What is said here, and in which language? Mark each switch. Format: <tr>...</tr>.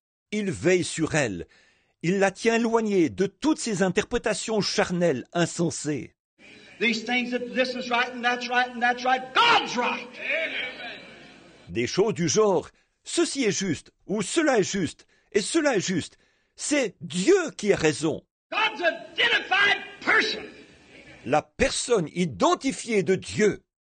<fr>Il veille sur elle, il la tient éloignée de toutes ces interprétations charnelles insensées.</fr> <en>These things that this is right and that's right and that's right, God's right.</en> <fr>Des choses du genre, ceci est juste, ou cela est juste, et cela est juste. C'est Dieu qui a raison.</fr> <en>God's identified person.</en> <fr>La personne identifiée de Dieu.</fr>